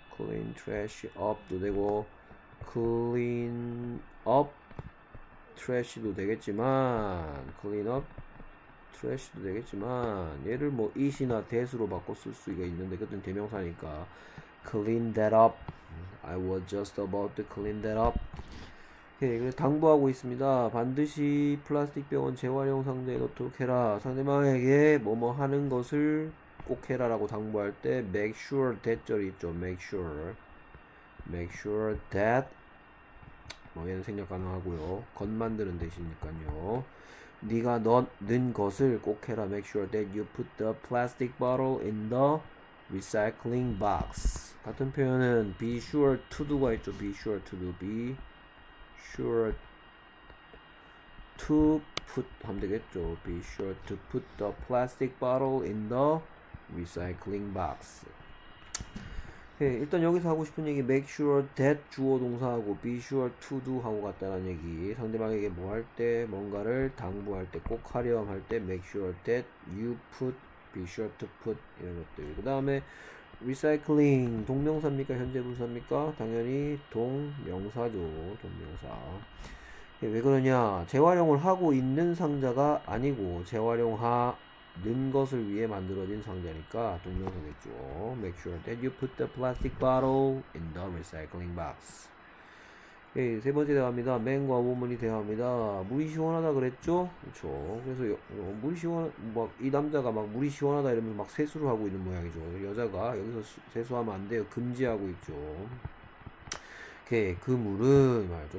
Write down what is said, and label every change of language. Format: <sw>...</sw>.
<en>clean trash up</en> <ko>도 되고</ko> <en>clean up trash</en> <ko>도 되겠지만 clean up trash도 되겠지만 얘를 뭐 is이나 that으로 바꿔 쓸 수가 있는데 그땐 대명사니까</ko> <en>clean that up. I was just about to clean that up.</en> <ko>예, 당부하고 있습니다. 반드시 플라스틱 병은 재활용 상자에 넣도록 해라. 상대방에게 뭐뭐 하는 것을 꼭 해라라고 당부할 때</ko> <en>make sure that</en> <ko>절이 있죠.</ko> <en>make sure that</en> <ko>뭐 얘는 생략 가능하고요. 겉 만드는 대신이니까요. 네가 넣는 것을 꼭 해라.</ko> <en>Make sure that you put the plastic bottle in the recycling box.</en> <ko>같은 표현은</ko> <en>be sure to do가 있죠. Be sure to do. Be sure to put</en> <ko>하면 되겠죠.</ko> <en>Be sure to put the plastic bottle in the recycling box.</en> <ko>일단 여기서 하고 싶은 얘기</ko> <en>make sure that</en> <ko>주어 동사하고</ko> <en>be sure to do</en> <ko>하고 같다는 얘기. 상대방에게 뭐할 때, 뭔가를 당부할 때, 꼭 하렴 할 때,</ko> <en>make sure that you put, be sure to put</en> <ko>이런 것들. 그 다음에 recycling 동명사입니까? 현재 분사입니까? 당연히 동명사죠. 동명사. 왜 그러냐? 재활용을 하고 있는 상자가 아니고 재활용하 는 것을 위해 만들어진 상자니까 동명사겠죠.</ko> <en>Make sure that you put the plastic bottle in the recycling box.</en> <ko>오케이, 세 번째 대화입니다. 맨과 우먼이 대화입니다. 물이 시원하다 그랬죠? 그렇죠. 그래서 물이 시원 막이 남자가 막 물이 시원하다 이러면서 막 세수를 하고 있는 모양이죠. 여자가 여기서 세수하면 안 돼요. 금지하고 있죠. 오케이, 그 물은 말이죠.</ko>